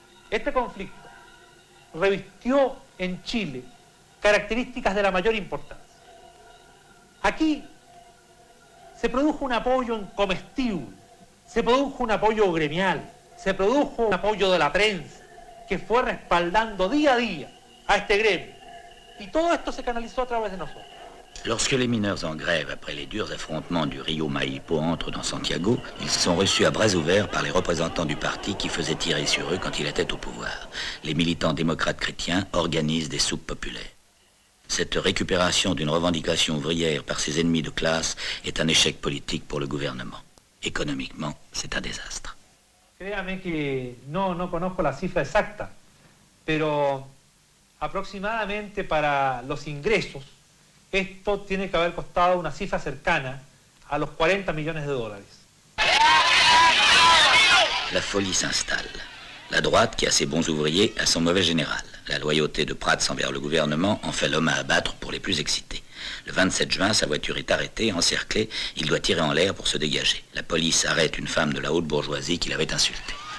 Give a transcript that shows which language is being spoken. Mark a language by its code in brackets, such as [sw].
[es] Este conflicto revistió en Chile características de la mayor importancia. Aquí se produjo un apoyo comestible, se produjo un apoyo gremial, se produjo un apoyo de la prensa que fue respaldando día a día a este gremio. Y todo esto se canalizó a través de nosotros. [fr] Lorsque les mineurs en grève après les durs affrontements du Rio Maipo entrent dans Santiago, ils sont reçus à bras ouverts par les représentants du parti qui faisaient tirer sur eux quand il était au pouvoir. Les militants démocrates chrétiens organisent des soupes populaires. Cette récupération d'une revendication ouvrière par ses ennemis de classe est un échec politique pour le gouvernement. Économiquement, c'est un désastre. [es] Créame que no conozco la cifra exacta, pero aproximadamente para los ingresos esto tiene que haber costado una cifra cercana a los 40 millones de dólares. [fr] La folie s'installe. La droite, qui a ses bons ouvriers, a son mauvais général. La loyauté de Prats envers le gouvernement en fait l'homme à abattre pour les plus excités. Le 27 juin, sa voiture est arrêtée, encerclée. Il doit tirer en l'air pour se dégager. La police arrête une femme de la haute bourgeoisie qui l'avait insultée.